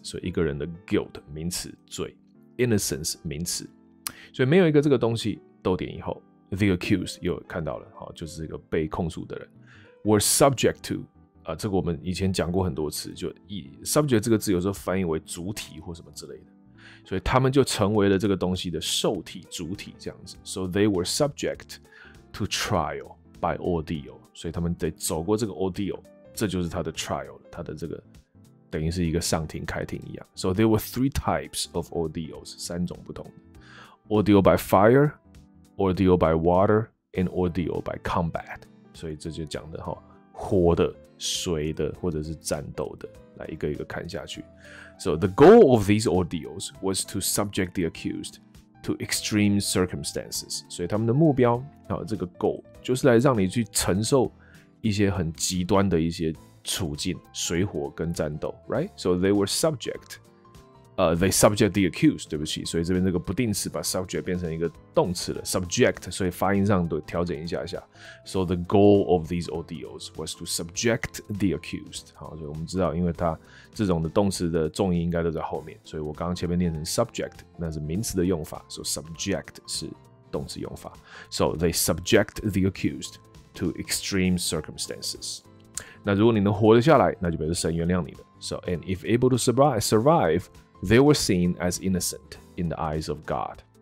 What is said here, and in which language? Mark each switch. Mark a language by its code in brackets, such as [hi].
[zh] 所以一个人的 guilt 名词罪。Innocence 名词，所以没有一个这个东西逗点以后 ， [en] the accused [zh] 又看到了，就是这个被控诉的人 ， [en] were subject to [zh] 啊，这个我们以前讲过很多次，就以 subject 这个字有时候翻译为主体或什么之类的，所以他们就成为了这个东西的受体、主体这样子。 [en] So they were subject to trial by ordeal， [zh] 所以他们得走过这个 ordeal， 这就是他的 trial， 他的这个等于是一个上庭开庭一样。 [en] So there were three types of ordeals, [zh] 三种不同的。 [en] Ordeal by fire, ordeal by water, and ordeal by combat. [zh] 所以这就讲的哈，火的、水的或者是战斗的，来一个一个看下去。 [en] So the goal of these ordeals was to subject the accused to extreme circumstances. [zh] 所以他们的目标，好，这个 goal 就是来让你去承受一些很极端的一些处境，水火跟战斗 ，right? [en] So they were subject, they subject the accused. [zh] 对不起，所以这边这个不定词把 subject 变成一个动词了 ，subject. 所以发音上都调整一下下。 [en] So the goal of these ordeals was to subject the accused. [zh] 好，所以我们知道，因为它这种的动词的重音应该都在后面，所以我刚刚前面念成 subject， 那是名词的用法 ，so subject 是动词用法。 [en] So they subject the accused to extreme circumstances. [zh] 那如果你能活得下来，那就表示神原谅你的。 [en] So, and if able to survive, they were seen as innocent in the eyes of God.